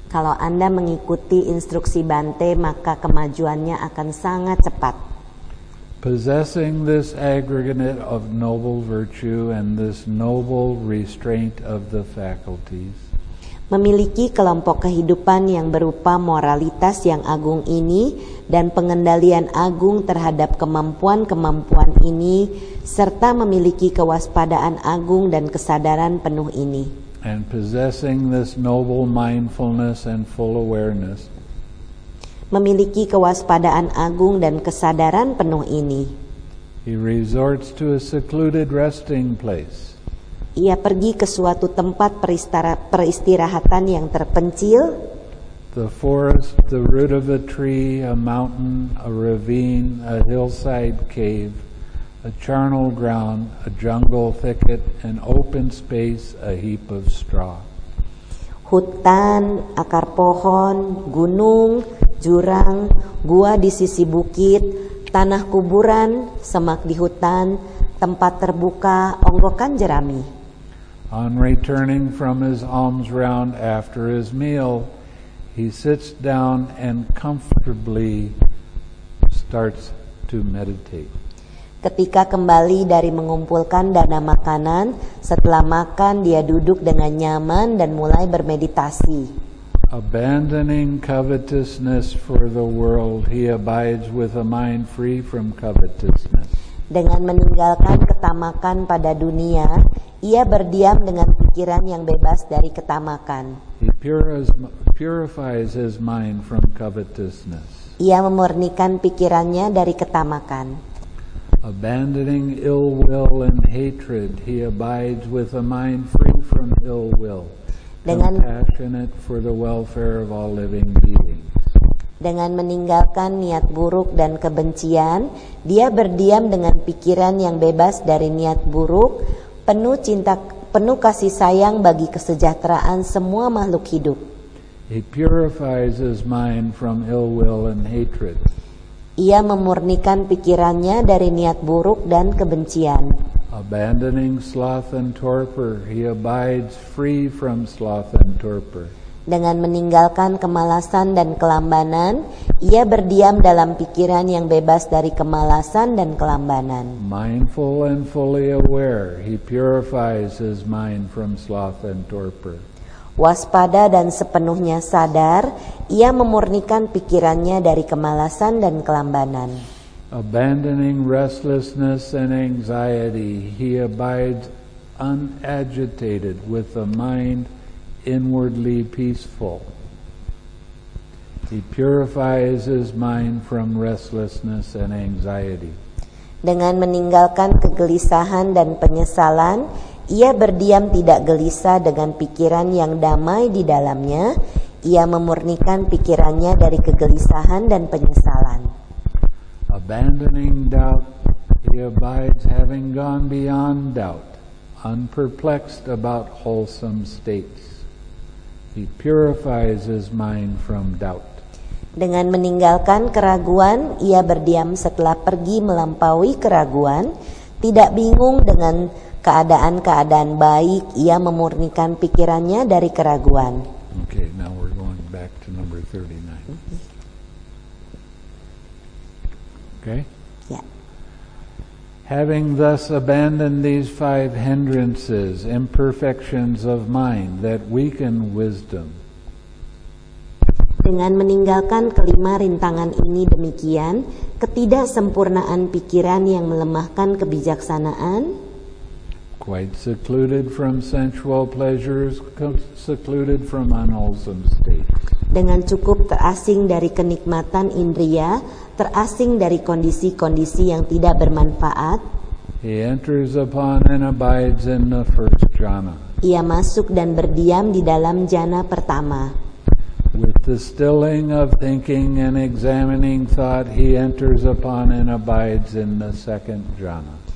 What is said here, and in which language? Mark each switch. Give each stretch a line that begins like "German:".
Indonesian: Kalau Anda mengikuti instruksi Bante, maka kemajuannya akan sangat cepat.
English: Possessing this aggregate of noble virtue and this noble restraint of the faculties.
Indonesian: Memiliki kelompok kehidupan yang berupa moralitas yang agung ini dan pengendalian agung terhadap kemampuan-kemampuan ini serta memiliki kewaspadaan agung dan kesadaran penuh ini.
English: And possessing this noble mindfulness and full awareness.
Indonesian: Memiliki kewaspadaan agung dan kesadaran penuh ini.
English: He resorts to a secluded resting place.
Indonesian: Ia pergi ke suatu tempat peristirahatan yang terpencil.
English: The forest, the root of a tree, a mountain, a ravine, a hillside cave, a charnel ground, a jungle thicket, an open space, a heap of straw.
Indonesian: Hutan, akar pohon, gunung, jurang, gua di sisi bukit, tanah kuburan, semak di hutan, tempat terbuka, onggokan jerami.
English: On returning from his alms round after his meal, he sits down and comfortably starts to meditate.
Indonesian: Ketika kembali dari mengumpulkan dana makanan, setelah makan dia duduk dengan nyaman dan mulai bermeditasi.
English: Abandoning covetousness for the world, he abides with a mind free from covetousness.
Indonesian: Dengan meninggalkan ketamakan pada dunia, ia berdiam dengan pikiran yang bebas dari ketamakan.
English: He purifies his mind from covetousness.
Indonesian: Ia memurnikan pikirannya dari ketamakan.
English: Abandoning ill will and hatred, he abides with a mind free from ill will, compassionate for the welfare of all living beings.
Indonesian: Dengan meninggalkan niat buruk dan kebencian, dia berdiam dengan pikiran yang bebas dari niat buruk, penuh cinta, penuh kasih sayang bagi kesejahteraan semua makhluk hidup.
English: He purifies his mind from ill will and hatred.
Indonesian: Ia memurnikan pikirannya dari niat buruk dan kebencian.
English: Abandoning sloth and torpor, he abides free from sloth and torpor.
Indonesian: Dengan meninggalkan kemalasan dan kelambanan, ia berdiam dalam pikiran yang bebas dari kemalasan dan kelambanan.
English: Mindful and fully aware, he purifies his mind from sloth and torpor.
Indonesian: Waspada dan sepenuhnya sadar, ia memurnikan pikirannya dari kemalasan dan kelambanan.
English: Abandoning restlessness and anxiety, he abides unagitated with a mind inwardly peaceful. He purifies his mind from restlessness and anxiety.
Indonesian: Dengan meninggalkan kegelisahan dan penyesalan, ia berdiam tidak gelisah dengan pikiran yang damai di dalamnya. Ia memurnikan pikirannya dari kegelisahan dan penyesalan.
English: Abandoning doubt, he abides having gone beyond doubt, unperplexed about wholesome states. He purifies his mind from doubt.
Indonesian: Dengan meninggalkan keraguan, ia berdiam setelah pergi melampaui keraguan, tidak bingung dengan keadaan-keadaan baik, ia memurnikan pikirannya dari keraguan.
English: Okay, now we're going back to number 39. Okay? Yeah. Having thus abandoned these five hindrances, imperfections of mind that weaken wisdom.
Indonesian: Dengan meninggalkan kelima rintangan ini demikian, ketidaksempurnaan pikiran yang melemahkan kebijaksanaan,
English: quite secluded from sensual pleasures, secluded from unwholesome states.
Indonesian: Dengan cukup terasing dari kenikmatan indria, terasing dari kondisi-kondisi yang tidak bermanfaat,
English: he enters upon and abides in the first jhana.
Indonesian: Ia masuk dan berdiam di dalam jhana pertama.
English: With the stilling of thinking and examining thought, he enters upon and abides in the second jhana.